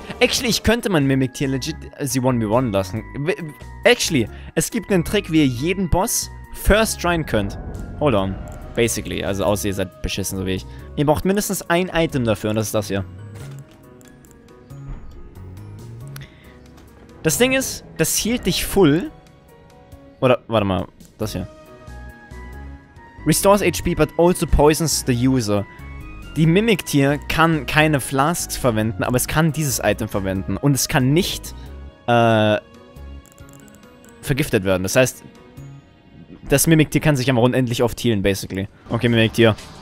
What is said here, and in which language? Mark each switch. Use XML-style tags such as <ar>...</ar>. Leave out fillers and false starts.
<de>Actually, ich könnte mein Mimiktier legit sie 1v1 lassen. Actually, es gibt einen Trick, wie ihr jeden Boss first tryen könnt.</de> <en>Hold on.</en> <de>Basically, also außer ihr seid beschissen, so wie ich. Ihr braucht mindestens ein Item dafür und das ist das hier. Das Ding ist, das hielt dich full. Oder, warte mal, das hier.</de> <en>Restores HP, but also poisons the user.</en> <de>Die Mimiktier kann keine Flasks verwenden, aber es kann dieses Item verwenden. Und es kann nicht, vergiftet werden. Das heißt, das Mimiktier kann sich aber unendlich oft healen, basically. Okay, Mimiktier.</de>